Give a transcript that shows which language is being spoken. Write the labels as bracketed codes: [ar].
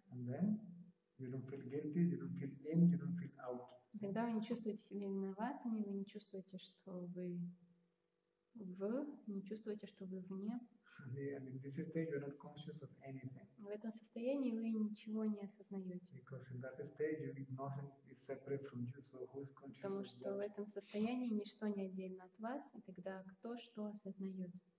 [en] And then you don't feel guilty, you don't feel in, you don't feel out. [ru] Иногда вы не чувствуете себя виноватыми, вы не чувствуете, что вы в, не чувствуете, что вы вне. [en] Yeah, in this state you're not conscious of anything. [ru] В этом состоянии вы ничего не осознаете. [en] Because in that state you nothing is separate from you, so who is conscious? [ru] Потому что в этом состоянии ничто не отдельно от вас, и тогда кто что осознает?